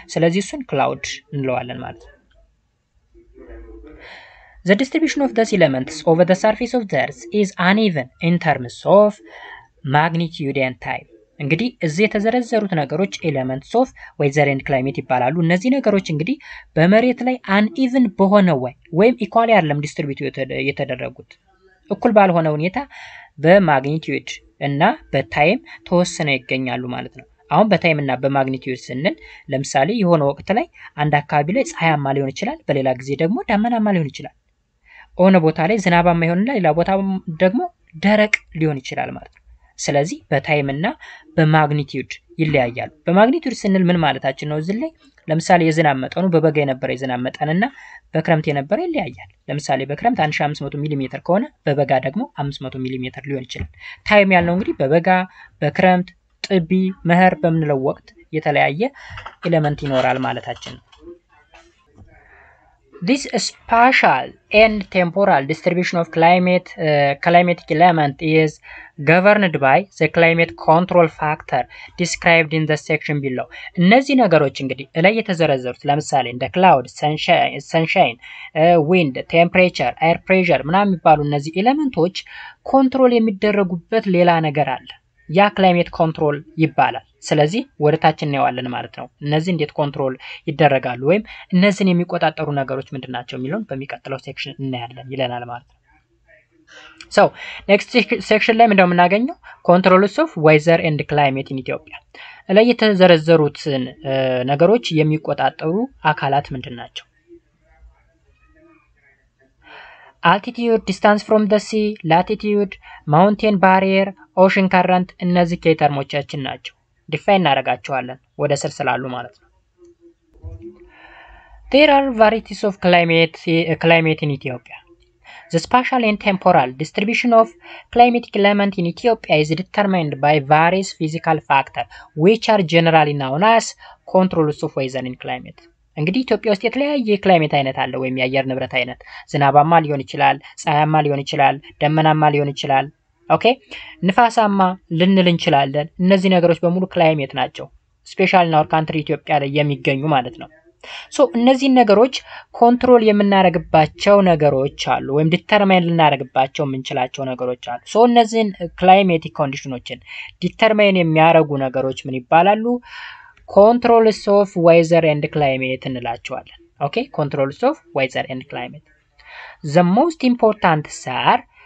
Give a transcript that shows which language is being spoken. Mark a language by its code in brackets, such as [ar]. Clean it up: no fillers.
[am] ስለዚህ እሱን cloud እንለዋለን ማለት ነው. [en] The distribution of these elements over the surface of the earth is uneven in terms of magnitude and time. [am] እንግዲህ እዚህ የተዘረዘሩት ነገሮች [en] elements of weather and climate [am] ይባላሉ. እነዚህ ነገሮች እንግዲህ በመሬት ላይ uneven በሆነ ወይ ወይም equally አይደለም distribute የተደረጉት እኩል ባልሆነ ሁኔታ በmagnitude እና በtime ተወስነው ይገኛሉ ማለት ነው. አሁን በtime እና በmagnitude ስንል ለምሳሌ የሆነ ወቅት ላይ አንድ አካባቢ ላይ ፀሐያማ ሊሆን ይችላል በሌላ ጊዜ ደግሞ ደመናማ ሊሆን ይችላል. ኦነ ቦታ ላይ ዝናባማ ይሆንና ሌላ ቦታ ደግሞ ደረቅ ሊሆን ይችላል ማለት ነው. ስለዚህ በታይም እና በማግኒቲዩድ ይለያያሉ. በማግኒቲዩድ ስንል ምን ማለታችን ነው? እዚህ ላይ ለምሳሌ የዝናብ መጠኑ በበጋ የነበረ የዝናብ መጠንና በክረምት የነበረ ይለያያል. ለምሳሌ በክረምት 1500 ሚሜ ከሆነ በበጋ ደግሞ 500 ሚሜ ሊሆን ይችላል. ታይም ያለው እንግዲህ በበጋ በክረምት ጥቢ መህር በምንለው ወቅት የተለያየ ኤሌመንት ይኖራል ማለታችን ነው. [en] This spatial and temporal distribution of climate climatic element is governed by the climate control factor described in the section below. [am] እነዚህ ነገሮች እንግዲህ እላይ የተዘረዘሩት ለምሳሌ እንደ cloud, sunshine, wind, temperature, air pressure ምናምን የሚባሉ እነዚህ ኤሌመንቶች ኮንትሮል የሚደረጉበት ሌላ ነገር አለ. ያ climate control ይባላል. ስለዚህ ወደታችን እናያለን ማለት ነው. እነዚህ እንዴት ኮንትሮል ይደረጋሉ ወይም እነዚህን የሚቆጣጠሩ ነገሮች ምንድናቸው የሚለውን በሚቀጥለው ሴክሽን እናያለን ይለናል ማለት ነው. [en] So, next section [am] ላይ ምንድነው የምናገኘው? [en] Controls of weather and climate in Ethiopia. [am] ላይ የተዘረዘሩትን ነገሮች የሚቆጣጠሩ አካላት ምንድናቸው? [en] Altitude, distance from the sea, latitude, mountain barrier, ocean current [am] እነዚህ ከተርሞቻችን ናቸው. ዲፋይን አረጋቸዋለን ወደ ሰልሰላሉ ማለት ነው. [en] There are varieties of climate in Ethiopia. The spatial and temporal distribution of climatic element in Ethiopia is determined by various physical factors which are generally known as controls of weather and climate. [am] እንግዲህ ኢትዮጵያ ውስጥ የተለያየ ክላይሜት አይነት አለ ወይም የአየር ንብረት አይነት. ዝናባማ ሊሆን ይችላል, ፀሐያማ ሊሆን ይችላል, ደመናማ ሊሆን ይችላል. ኦኬ ንፋሳማ ልንል እንችላለን. እነዚህ ነገሮች በሙሉ ክላይሜት ናቸው. ስፔሻል ነው ካንትሪ ኢትዮጵያ ላይ የሚገኙ ማለት ነው ሶ እነዚህ ነገሮች ኮንትሮል የምናረጋባቸው ነገሮች አሉ ወይም ዲተርማይን ልናረጋባቸው ምንችላቸው ነገሮች አሉ ሶ እነዚህ ክላይሜቲክ ኮንዲሽኖችን ዲተርማይን የሚያረጉ ነገሮች ምን ይባላሉ [en] controls of weather and climate እንላቸዋለን ኦኬ controls of weather and climate the most important are